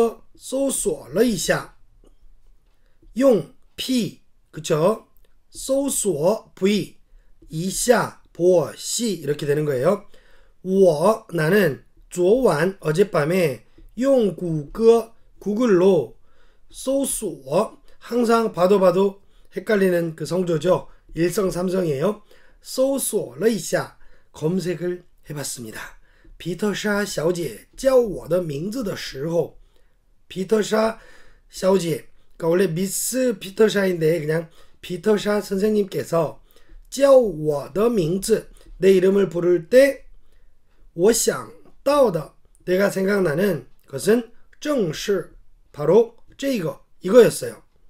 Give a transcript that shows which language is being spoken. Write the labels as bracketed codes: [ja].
[zh] 我昨晚用谷歌搜索了一下 [ko] 用P 그쵸 [zh] 搜索 V 一下 [ko] 보시 이렇게 되는 거예요. 我 나는 [zh] 昨晚 [ko] 어젯밤에 [zh] 用谷歌 [ko] 구글로 [zh] 搜索 [ko] 항상 봐도 봐도 헷갈리는 그 성조죠. 일성 삼성이에요. [zh] 搜索了一下 [ko] 검색을 해봤습니다. 피터샤 [zh] 小姐 叫我的名字的时候 [ko] 피터샤 小姐 그러니까 원래 미스 피터샤인데 그냥 피터샤 선생님께서 [zh] 叫我的名字 [ko] 내 이름을 부를 때 [zh] 我想到的 [ko] 내가 생각나는 것은 [zh] 正是 [ko] 바로 [zh] 这个 [ko] 이거였어요.